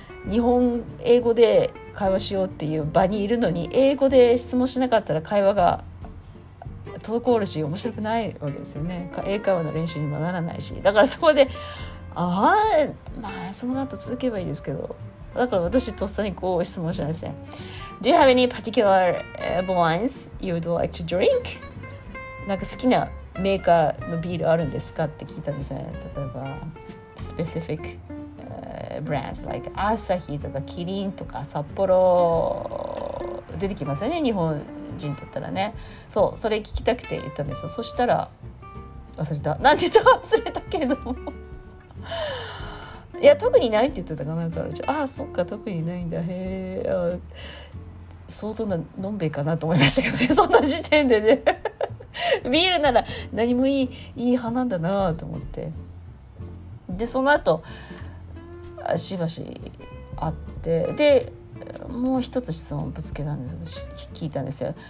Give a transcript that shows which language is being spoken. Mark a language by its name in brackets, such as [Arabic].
[Japanese] 日本英語で会話しようっていう場にいるのに英語で質問しなかったら会話が滞るし面白くないわけですよね。英会話の練習にもならないし、だからそこでああまあその後続けばいいですけど、だから私とっさにこう質問したんですね。 [English] Do you have any particular wines you would like to drink? [Japanese] なんか好きなメーカーのビールあるんですかって聞いたんですね。例えば [English] specific brands like Asahi [Japanese] とかキリンとか札幌出てきますよね、日本人だったらね。そう、それ聞きたくて言ったんですよ。そしたら忘れた、なんて言ったか忘れたけどいや特にないって言ってたかな、からちょ、あそっか特にないんだ、へえ、相当なのんべえかなと思いましたけどね、そんな時点でねビールなら何もいい派なんだなと思って、でその後しばし会って、でもう一つ質問ぶつけたんです、聞いたんですよ。